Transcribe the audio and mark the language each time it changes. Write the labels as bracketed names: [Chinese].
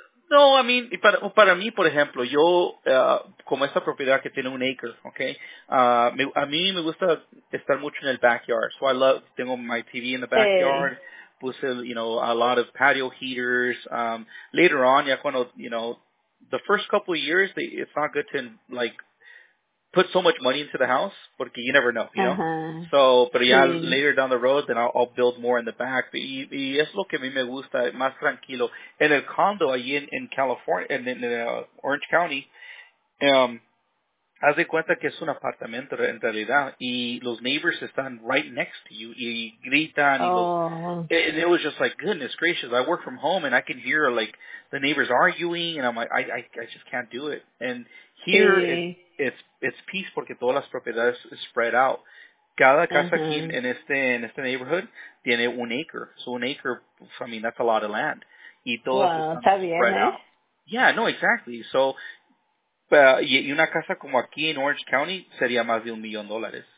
[Spanish] No, [English] I mean, [Spanish] para mí, por ejemplo, yo, como esta propiedad que tiene un acre, ok, a mí me gusta estar mucho en el backyard. [English] So I love, [Spanish] tengo [English] my TV in the backyard. Hey. [Spanish] Puse, [English] you know, a lot of patio heaters. Later on, [Spanish] ya cuando, [English] you know, the first couple of years, it's not good to, like, put so much money into the house, [Spanish] porque [English] you never know, you know? So, [Spanish] pero ya [English] later down the road, then I'll build more in the back. [Spanish] Y es lo que a mí me gusta, más tranquilo. En el condo, allí en California, en Orange County, haz de cuenta que es un apartamento en realidad, y los [English] neighbors [Spanish] están [English] right next to you, [Spanish] y gritan, [English] and it was just like, goodness gracious, I work from home, and I can hear, like, the neighbors arguing, and I'm like, I just can't do it. And here, it's peace [Spanish] porque todas las propiedades [English] is spread out. [Spanish] Cada casa aquí en este neighborhood tiene un acre. [English] So [Spanish] un acre, [English] I mean, that's a lot of land. [Spanish] Y todas están [English] spread out. Yeah, no, exactly. [Spanish] So, y una casa como aquí en Orange County sería más de $1,000,000.